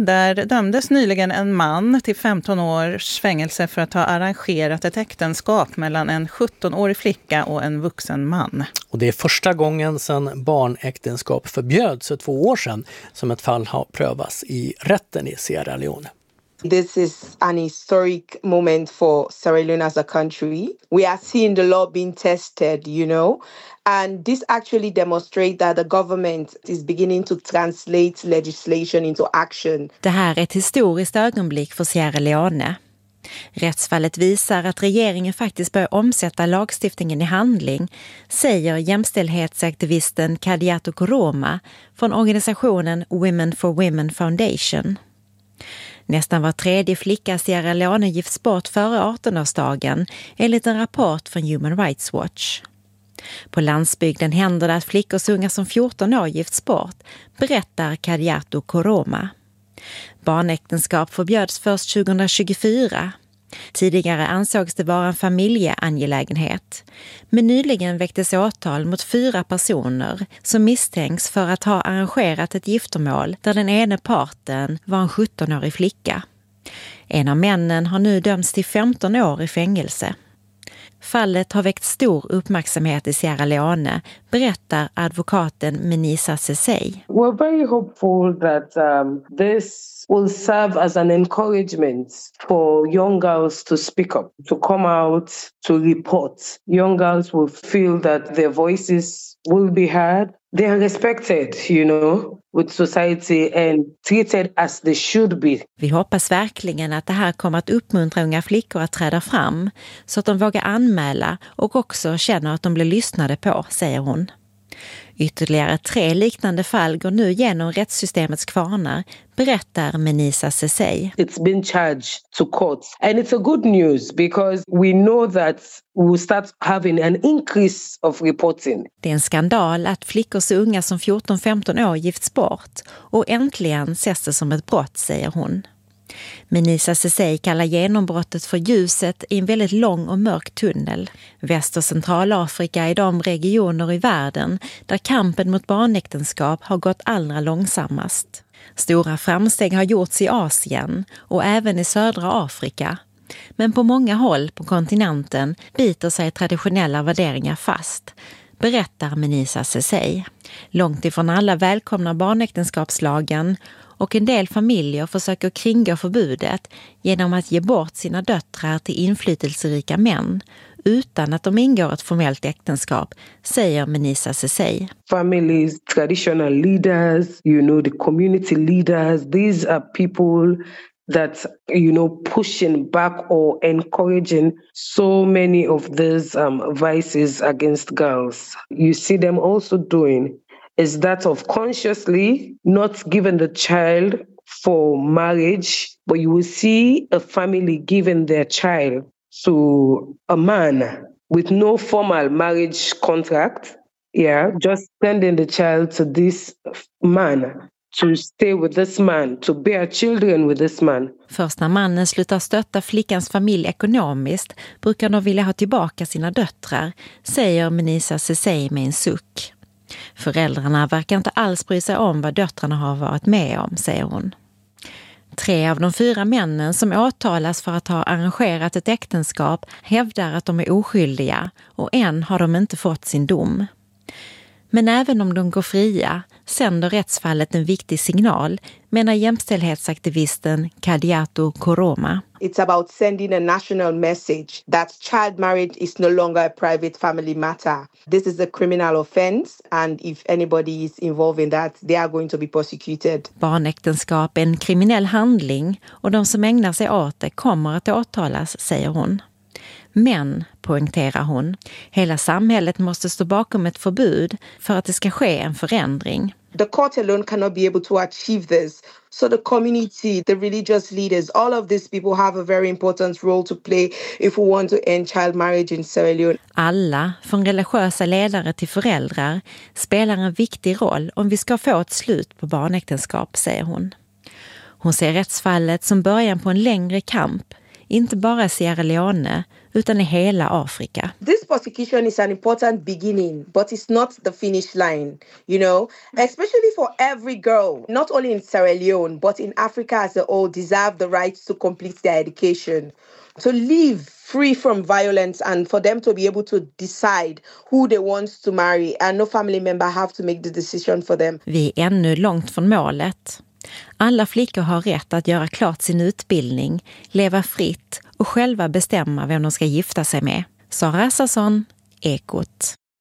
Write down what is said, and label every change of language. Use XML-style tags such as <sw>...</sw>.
<sv>Där dömdes nyligen en man till 15 års fängelse för att ha arrangerat ett äktenskap mellan en 17-årig flicka och en vuxen man. Och det är första gången sedan barnäktenskap förbjöds för 2 år sedan som ett fall har prövats i rätten i Sierra Leone.</sv> <en>This is an historic moment for Sierra Leone as a country. We are seeing the law being tested, you know, and this actually demonstrates that the government is beginning to translate legislation into action.</en> <sv>Det här är ett historiskt ögonblick för Sierra Leone. Rättsfallet visar att regeringen faktiskt börjar omsätta lagstiftningen i handling, säger jämställdhetsaktivisten Kadiatu Koroma från organisationen Women for Women Foundation. Nästan var tredje flicka Sierra Leone gifts bort före 18-årsdagen, enligt en rapport från Human Rights Watch. På landsbygden händer det att flickor så unga som 14 år gifts bort, berättar Kadiatu Koroma. Barnäktenskap förbjöds först 2024. Tidigare ansågs det vara en familjeangelägenhet. Men nyligen väcktes åtal mot 4 personer som misstänks för att ha arrangerat ett giftermål där den ena parten var en 17-årig flicka. En av männen har nu dömts till 15 år i fängelse. Fallet har väckt stor uppmärksamhet i Sierra Leone, berättar advokaten Menisa Sesay.</sv> <en>We're very hopeful that this will serve as an encouragement for young girls to speak up, to come out, to report. Young girls will feel that their voices will be heard. They are respected, you know, with society and treated as they should be.</en> <sv>Vi hoppas verkligen att det här kommer att uppmuntra unga flickor att träda fram så att de vågar anmäla och också känner att de blir lyssnade på, säger hon. Ytterligare tre liknande fall går nu genom rättssystemets kvarnar, berättar Menisa Sesay.</sv> <en>It's been charged to courts and it's a good news because we know that we start having an increase of reporting.</en> <sv>Det är en skandal att flickor så unga som 14-15 år gifts bort och äntligen ses det som ett brott, säger hon. Menisa Sesay kallar genombrottet för ljuset i en väldigt lång och mörk tunnel. Väst- och Centralafrika är de regioner i världen där kampen mot barnäktenskap har gått allra långsammast. Stora framsteg har gjorts i Asien och även i södra Afrika. Men på många håll på kontinenten biter sig traditionella värderingar fast, berättar Menisa Sesay. Långt ifrån alla välkomnar barnäktenskapslagen och en del familjer försöker kringgå förbudet genom att ge bort sina döttrar till inflytelserika män utan att de ingår ett formellt äktenskap, säger Menisa Sesay.</sv> <en>Families, traditional leaders, you know, the community leaders, these are people that, you know, pushing back or encouraging so many of these vices against girls. You see them also doing is that of consciously not giving the child for marriage, but you will see a family giving their child to a man with no formal marriage contract, yeah, just sending the child to this man, to stay with this man, to bear children with this man.</en> <sv>Först när mannen slutar stötta flickans familj ekonomiskt brukar de vilja ha tillbaka sina döttrar, säger Menisa Sesay med en suck. Föräldrarna verkar inte alls bry sig om vad döttrarna har varit med om, säger hon. Tre av de fyra männen som åtalas för att ha arrangerat ett äktenskap hävdar att de är oskyldiga och än har de inte fått sin dom. Men även om de går fria sänder rättsfallet en viktig signal, menar jämställdhetsaktivisten Kadiatu Koroma.</sv> <en>It's about sending a national message that child marriage is no longer a private family matter. This is a criminal offense and if anybody is involved in that they are going to be prosecuted.</en> <sv>Barnäktenskap är en kriminell handling och de som ägnar sig åt det kommer att åtalas, säger hon. Men, poängterar hon, hela samhället måste stå bakom ett förbud för att det ska ske en förändring.</sv> <en>The court alone cannot be able to achieve this. So the community, the religious leaders, all of these people have a very important role to play if we want to end child marriage in Sierra Leone.</en> <sv>Alla, från religiösa ledare till föräldrar, spelar en viktig roll om vi ska få ett slut på barnäktenskap, säger hon. Hon ser rättsfallet som början på en längre kamp, inte bara Sierra Leone, utan i hela Afrika.</sv> <en>This prosecution is an important beginning, but it's not the finish line, you know, especially for every girl, not only in Sierra Leone, but in Africa as a whole, deserve the right to complete their education, to live free from violence and for them to be able to decide who they want to marry and no family member have to make the decision for them.</en> <sv>Vi är ännu långt från målet. Alla flickor har rätt att göra klart sin utbildning, leva fritt och själva bestämma vem de ska gifta sig med. Sara Assarsson, Ekot.</sv>